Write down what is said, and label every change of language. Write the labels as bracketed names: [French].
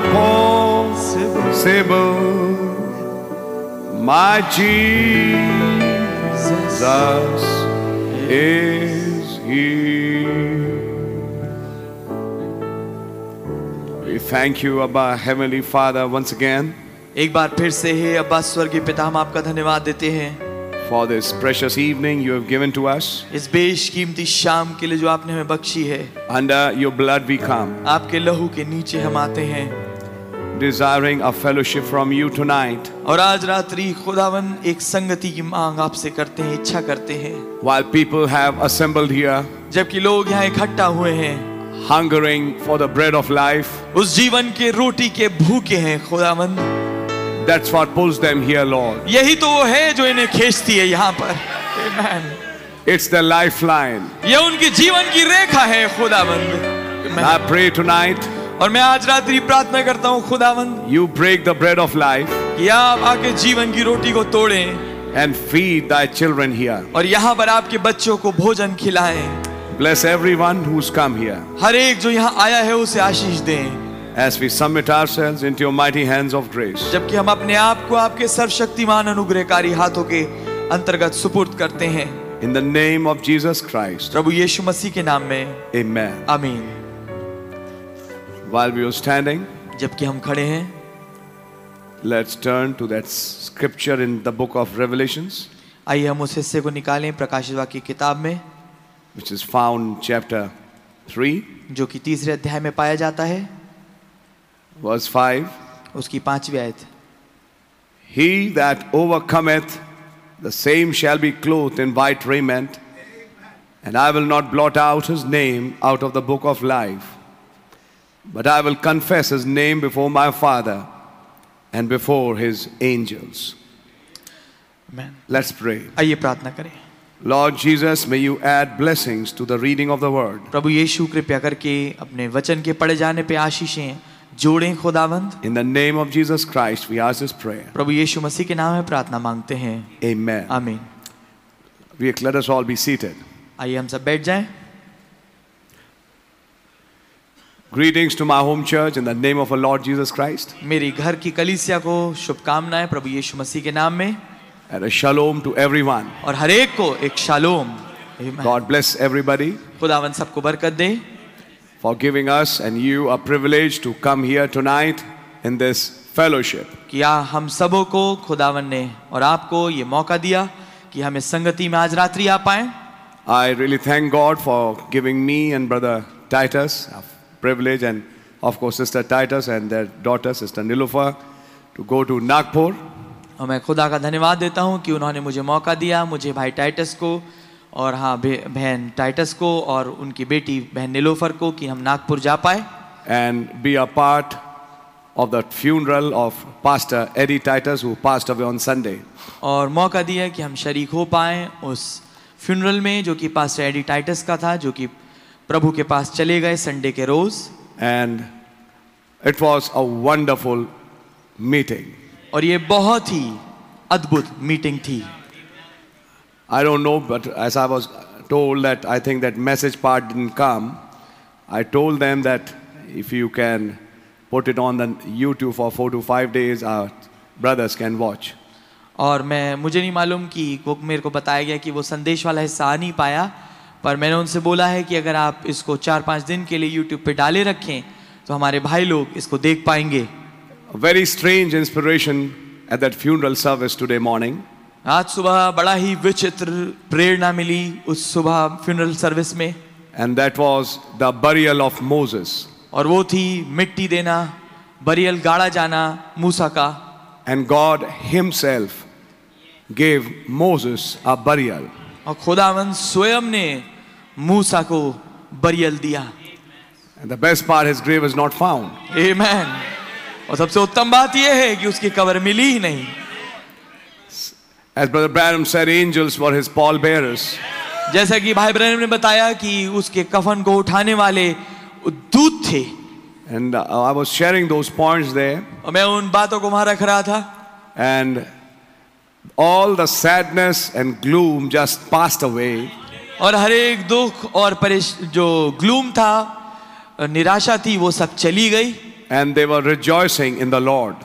[English] possible. My Jesus is here. We thank you, Abba, Heavenly Father, once again. [Hindi] एक बार फिर से हे अब्बा स्वर्गीय पिता हम आपका धन्यवाद देते हैं [English] For this precious evening you have given to us. [Hindi] इस बेशकीमती शाम के लिए जो आपने हमें बख्शी है [English] Under your blood we come. [Hindi] आपके लहू के नीचे हम आते हैं [English] Desiring a fellowship from you tonight. [Hindi] और आज रात्रि खुदावन एक संगति की मांग आपसे करते हैं इच्छा करते हैं [English] While people have assembled here. [Hindi] जबकि लोग यहाँ इकट्ठा हुए हैं [English] Hungering for the bread of life. [Hindi] उस जीवन के रोटी के भूखे हैं खुदावन [English] That's what pulls them here, Lord. [Hindi] यही तो वो है जो इन्हें खींचती है यहाँ पर. [English] Amen. It's the lifeline. [Hindi] ये उनके जीवन की रेखा है, खुदावंद. [English] I pray tonight. [Hindi] और मैं आज रात्रि प्रार्थना करता हूँ, खुदावंद. [English] You break the bread of life. [Hindi] या आप आके जीवन की रोटी को तोड़ें. [English] And feed thy children here. [Hindi] और यहाँ पर आपके बच्चों को भोजन खिलाएं. [English] Bless everyone who's come here. [Hindi] हर एक जो यहाँ आया है, उसे आशीष दें. [English] As we submit ourselves into your mighty hands of grace. [Hindi] जबकि हम अपने आप को आपके सर्वशक्तिमान अनुग्रहकारी हाथों के अंतर्गत सुपुर्द करते हैं. [English] In the name of Jesus Christ. [Hindi] प्रभु यीशु मसीह के नाम में. [English] Amen. [Hindi] आमीन. [English] While we are standing. [Hindi] जबकि हम खड़े हैं. [English] Let's turn to that scripture in the book of Revelations. [Hindi] आइए हम उस हिस्से को निकालें प्रकाशित वाक्य की किताब में. [English] Which is found in chapter 3. [Hindi] जो कि तीसरे अध्याय में पाया जाता है. [English] Verse 5. [Hindi] उसकी पांचवी आयत. [English] He that overcometh, the same shall be clothed in white raiment, and I will not blot out his name out of the book of life, but I will confess his name before my Father and before his angels. Amen. Let's pray. [Hindi] आइए प्रार्थना करें. [English] Lord Jesus, may you add blessings to the reading of the word. [Hindi] प्रभु यीशु कृपया करके अपने वचन के पढ़े जाने पे आशीषें जोड़ें खुदावंत. [English] In the name of Jesus Christ, we ask this prayer. [Hindi] प्रभु यीशु मसीह के नाम में प्रार्थना मांगते हैं. [English] Amen. [Hindi] आमीन. [English] Let us all be seated. [Hindi] आइए हम सब बैठ जाएं. [English] Greetings to my home church in the name of our Lord Jesus Christ. [Hindi] मेरी घर की कलीसिया को शुभकामनाएं प्रभु यीशु मसीह के नाम में. [English] And a shalom to everyone. [Hindi] और हर एक को एक shalom. [English] Amen. God bless everybody. [Hindi] खुदावंत सबको बरकत दे. [English] For giving us and you a privilege to come here tonight in this fellowship. [Hindi] क्या हम सबों को खुदावन ने और आपको ये मौका दिया कि हम इस संगति में आज रात्रि आ पाएं? [English] I really thank God for giving me and brother Titus a privilege and of course sister Titus and their daughter sister Nilufa to go to Nagpur. [Hindi] और मैं खुदा का धन्यवाद देता हूँ कि उन्होंने मुझे मौका दिया मुझे भाई टाइटस को और हाँ बहन टाइटस को और उनकी बेटी बहन निलोफर को कि हम नागपुर जा पाए [English] and be a part of the funeral of pastor Eddie Titus who passed away on Sunday [Hindi] और मौका दिया कि हम शरीक हो पाए उस फ्यूनरल में जो कि पास्टर एडी टाइटस का था जो कि प्रभु के पास चले गए संडे के रोज [English] and it was a wonderful meeting [Hindi] और ये बहुत ही अद्भुत मीटिंग थी [English] I don't know, but as I was told that I think that message part didn't come, I told them that if you can put it on the YouTube for 4 to 5 days, our brothers can watch. [Hindi] और मैं मुझे नहीं मालूम कि मेरे को बताया गया कि वो संदेश वाला हिस्सा आ नहीं पाया पर मैंने उनसे बोला है कि अगर आप इसको 4-5 दिन के लिए YouTube पे डाले रखें तो हमारे भाई लोग इसको देख पाएंगे [English] A very strange inspiration at that funeral service today morning. [Hindi] आज सुबह बड़ा ही विचित्र प्रेरणा मिली उस सुबह फ्यूनरल सर्विस में [English] and that was the burial of Moses [Hindi] और वो थी मिट्टी देना बरियल गाड़ा जाना मूसा का [English] and God himself gave Moses a burial [Hindi] और खुदावन स्वयं ने मूसा को बरियल दिया [English] and the best part his grave is not found [Hindi] आमेन और सबसे उत्तम बात यह है कि उसकी कब्र मिली ही नहीं [English] As Brother Branham said, angels were his pallbearers. [Hindi] जैसा कि भाई ब्रैनम ने बताया कि उसके कफन को उठाने वाले दूत थे. [English] And I was sharing those points there. [Hindi] और मैं उन बातों को वहाँ रख रहा था. [English] And all the sadness and gloom just passed away. [Hindi] और हर एक दुख और परेश जो gloom था, निराशा थी, वो सब चली गई. [English] And they were rejoicing in the Lord.